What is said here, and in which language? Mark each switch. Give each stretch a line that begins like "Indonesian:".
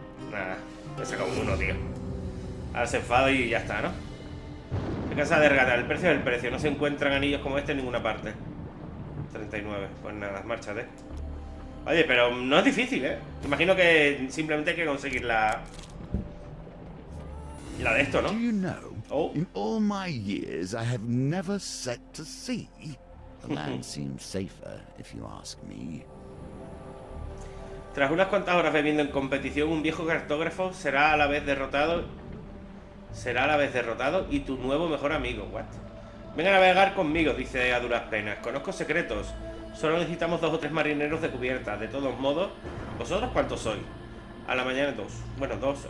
Spanish: Nada, me he sacado un 1, tío. Ahora se enfado y ya está, ¿no? Se cansa de regatear. El precio es el precio. No se encuentran anillos como este en ninguna parte. 39. Pues nada, márchate. Oye, pero no es difícil, Imagino que simplemente hay que conseguir la... La de esto, ¿no?
English: Do you know, in all my years, I have never set to sea. The land seems safer, if you ask me.
Spanish: Tras unas cuantas horas bebiendo en competición, un viejo cartógrafo será a la vez derrotado... Será a la vez derrotado y tu nuevo mejor amigo, what? Ven a navegar conmigo, dice a duras penas. Conozco secretos. Solo necesitamos dos o tres marineros de cubierta. De todos modos, ¿vosotros cuántos sois? A la mañana dos. Bueno, dos.